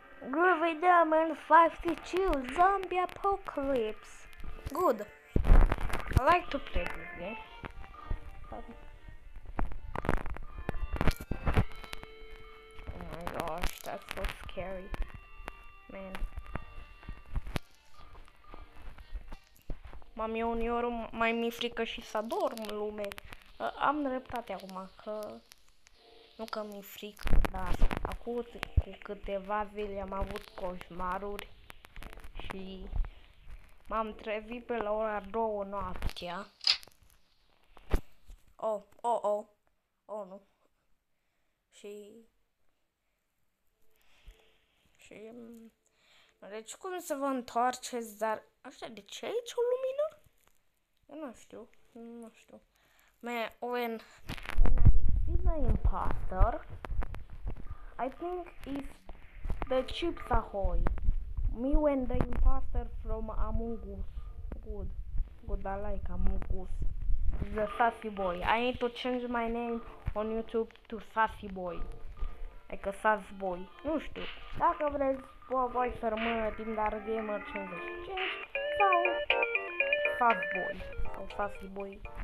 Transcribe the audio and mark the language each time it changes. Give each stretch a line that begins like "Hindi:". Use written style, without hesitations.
English: Groovy Diamond 52 Zombie Apocalypse. Good. I like to play this game. Oh my gosh, that's so scary. Man.
Romanian: Mami, uneori mai mi-e frică și să dorm lume. Am dreptate acum că... Nu că mi-e frică, dar acum cu câteva zile am avut coșmaruri și m-am trezit pe la ora 2 noaptea. Oh, nu. Și... Deci cum să vă întoarceți, dar... Așa, de ce aici o lumină? Nu știu.
English: When I see the imposter, I think it's the Chips Ahoy. Me when the imposter from Among Us. Good, I like Among Us. The Sassy Boy. I need to change my name on YouTube to Sassy Boy. Like a Sass Boy.
Romanian: Nu știu. Dacă vreți, voi să rămână timp, dar gamer 55 sau Sass Boy. Sassy boy.